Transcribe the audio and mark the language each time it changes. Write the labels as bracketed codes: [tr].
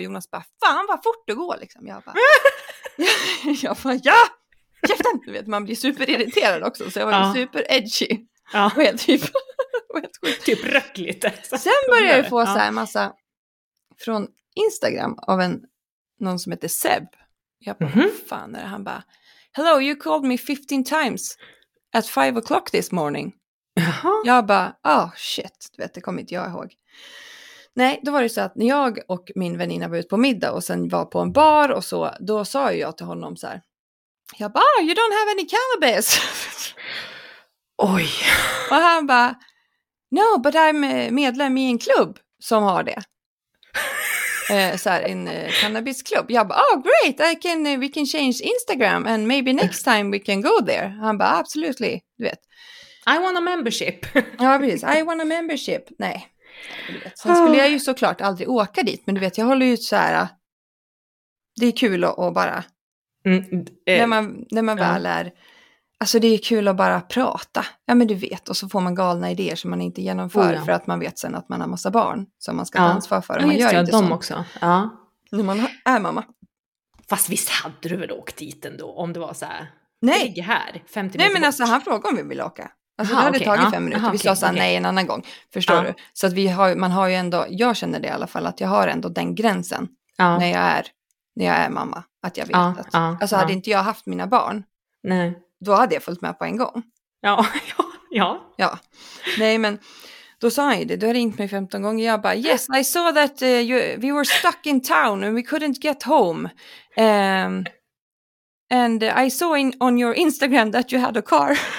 [sv] Jonas bara, fan vad fort det går liksom. Jag bara, käften! Du vet, man blir superirriterad också. Så jag var ju super edgy. Ja. Och helt hyper. Och helt typ rött lite. Sen började jag få så här massa från Instagram av någon som heter Seb. Jag bara, mm-hmm. fan är det? Han bara, [en] hello, you called me 15 times at 5 o'clock this morning. Uh-huh. [sv] Jag bara, [en] oh shit, [sv] du vet, det kommer inte jag ihåg. Nej, då var det så att när jag och min väninna var ute på middag och sen var på en bar och så, då sa jag till honom så här, jag bara, [en] oh, you don't have any cannabis. [sv] Oj. Och han bara, [en] no, but I'm [sv] medlem i en klubb som har det. Så här, en cannabisklubb. Jag bara, [en] oh great, we can change Instagram and maybe next time we can go there. [sv] Han bara, [en] absolutely, [sv] du vet. [en] I want a membership. [sv] Ja, precis. [en] I want a membership. [sv] Nej. Sen skulle jag ju såklart aldrig åka dit, men du vet, jag håller ju så här. Det är kul att bara när man väl är, alltså det är kul att bara prata. Ja, men du vet, och så får man galna idéer som man inte genomför för att man vet sen att man har massa barn som man ska ta ansvar för, och man gör inte dem också. Ja. När man är mamma. Fast visst hade du väl åkt dit ändå om det var så här. Nej, här 50 minuter. Nej, men alltså han frågade om vi vill åka. Alltså det hade tagit 5 minuter. Aha, vi sa såhär, nej, en annan gång. Förstår du? Så att man har ju ändå, jag känner det i alla fall, att jag har ändå den gränsen när jag är mamma. Att jag vet att, alltså hade inte jag haft mina barn, nej, då hade jag följt med på en gång. Ja. Nej, men då sa han ju det, du har ringt mig 15 gånger. Jag bara, [en] yes, I saw that we were stuck in town and we couldn't get home. And I saw on your Instagram that you had a car.